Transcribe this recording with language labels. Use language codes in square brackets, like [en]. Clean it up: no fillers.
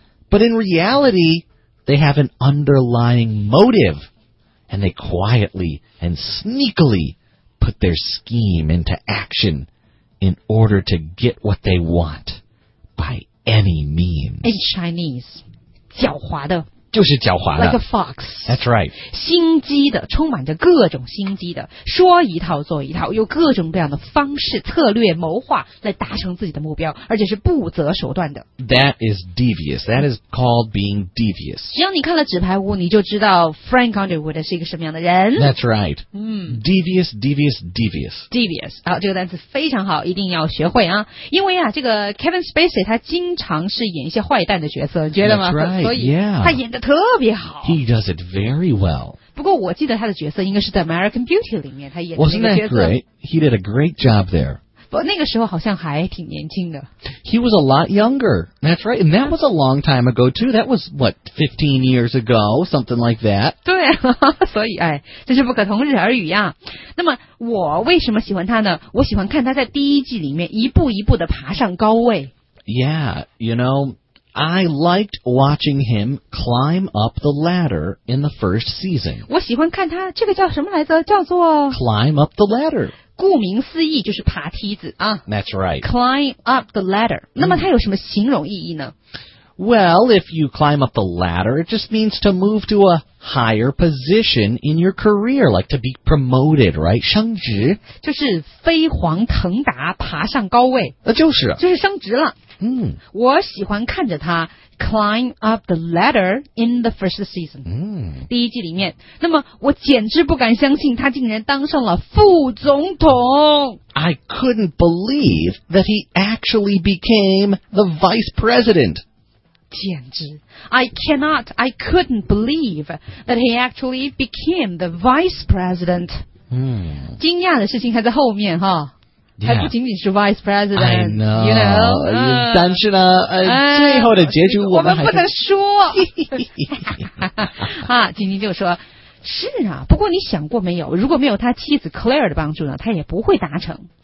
[en] But in reality, they have an underlying motive. And they quietly and sneakily... put their scheme into action in order to get what they want by any means. In Chinese, 狡猾的 [zh] 就是狡猾的 [en] like a fox. That's right. [zh] 心机的，充满着各种心机的，说一套做一套，用各种各样的方式策略谋划来达成自己的目标，而且是不择手段的。 [en] That is devious. That is called being devious. [zh] 只要你看了纸牌屋，你就知道 Frank Underwood 是一个什么样的人。 [en] That's right.、嗯、 devious, devious, devious. Devious. [zh] 好，这个单词非常好，一定要学会啊。因为啊，这个 Kevin Spacey 他经常是演一些坏蛋的角色，你觉得吗？ [en] That's right. [zh] 所以、 yeah. 他演得特别好。 [en] He does it very well. [zh] 不过我记得他的角色应该是在 American Beauty 里面他演的那个角色。 [en] Wasn't that great? He did a great job there. [zh] 不，那个时候好像还挺年轻的。 [en] He was a lot younger. That's right. And that was a long time ago too. That was what, 15 years ago? Something like that. [zh] 对、啊、所以哎，这是不可同日而语呀。那么我为什么喜欢他呢？我喜欢看他在第一季里面一步一步的爬上高位。 [en] Yeah, you know,I liked watching him climb up the ladder in the first season. [zh] 我喜欢看他，这个叫什么来着？叫做 [en] climb up the ladder. [zh] 顾名思义就是爬梯子啊。 [en] That's right. Climb up the ladder.、 [zh] 嗯、那么它有什么形容意义呢？ [en] Well, if you climb up the ladder, it just means to move to a higher position in your career, like to be promoted, right? [zh] 升职就是飞黄腾达，爬上高位。就是，就是升职了。嗯，我喜欢看着他 [en] climb up the ladder in the first season. 嗯， [zh] 第一季里面，那么我简直不敢相信他竟然当上了副总统。 [en] I couldn't believe that he actually became the vice president. 简直 I couldn't believe that he actually became the vice president. 嗯， [zh] 惊讶的事情还在后面哈。 Yeah. 还不仅仅是 Vice President, [en] I know, you know.、 [zh] 但是呢、最后的结局我们还是。我们不能说。啊，晶晶就说，是啊，不过你想过没有，如果没有他妻子 Claire 的帮助呢，他也不会达成。